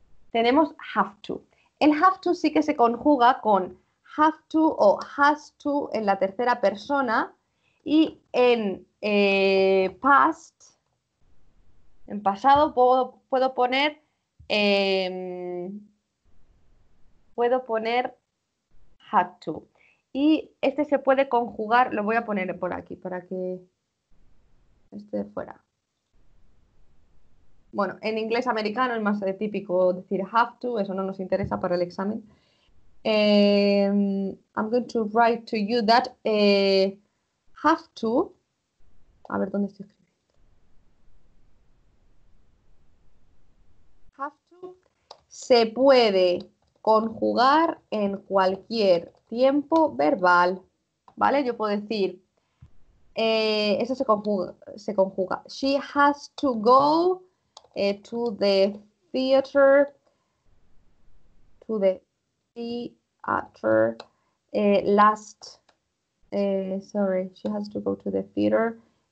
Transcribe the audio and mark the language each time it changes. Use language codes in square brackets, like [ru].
[es] Tenemos have to. El have to sí que se conjuga con have to o has to en la tercera persona y en past, en pasado, puedo poner had to. Y este se puede conjugar, lo voy a poner por aquí para que esté fuera. Bueno, en inglés americano es más típico decir have to, eso no nos interesa para el examen. [en] I'm going to write to you that have to. [es] A ver, ¿dónde estoy escribiendo? Have to se puede conjugar en cualquier tiempo verbal, ¿vale? Yo puedo decir, eso se conjuga. [en] She has to go to the theater, she has to go to the theater.